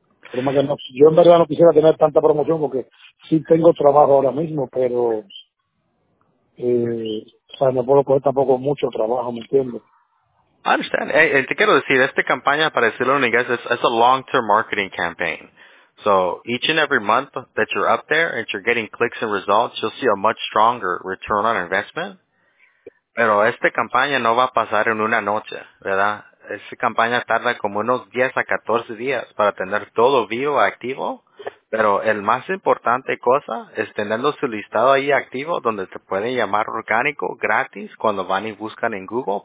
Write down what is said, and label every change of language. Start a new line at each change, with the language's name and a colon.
Spanish: Pero más que no, yo en verdad no quisiera tener tanta promoción porque sí tengo trabajo ahora mismo, pero o sea, no puedo coger tampoco mucho trabajo, ¿me entiendes?
English: Understand.
Spanish: Hey, te quiero decir, esta campaña, para decirlo en inglés, es
English: a long-term marketing campaign. So, each and every month that you're up there and you're getting clicks and results, you'll see a much stronger return on investment.
Spanish: Pero esta campaña no va a pasar en una noche, ¿verdad? Esta campaña tarda como unos 10 a 14 días para tener todo vivo, activo. Pero el más importante cosa es teniendo su listado ahí activo donde te pueden llamar orgánico gratis cuando van y buscan en Google.